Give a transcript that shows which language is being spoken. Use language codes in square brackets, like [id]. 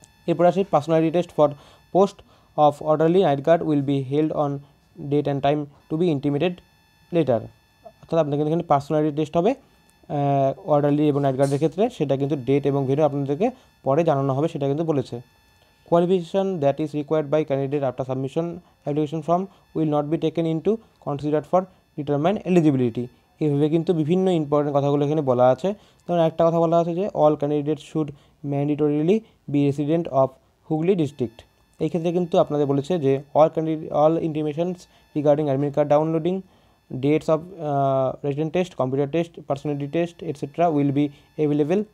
[bn] এরপরে আসে [en] personality test for post of orderly night guard will be held on date and time to be intimated later, [bn] অর্থাৎ আপনাকে কিন্তু এখানে personality test হবে অর্ডারলি এবং নাইট গার্ডের ক্ষেত্রে, সেটা কিন্তু ডেট এবং ভিডিও আপনাদেরকে পরে জানানো হবে, সেটা কিন্তু বলেছে। [en] Qualification that is required by candidate after submission application form will not be taken into considered for determine eligibility. [bn] এইভাবে কিন্তু বিভিন্ন ইম্পর্টেন্ট কথাগুলো এখানে বলা আছে। যেমন একটা কথা বলা আছে যে [en] All candidate should mandatorily be resident of Hooghly district. [bn] এই ক্ষেত্রে কিন্তু আপনাদের বলেছে যে [en] All candidate all informations regarding admit card downloading dates of resident test computer test personality test etcetera will be available.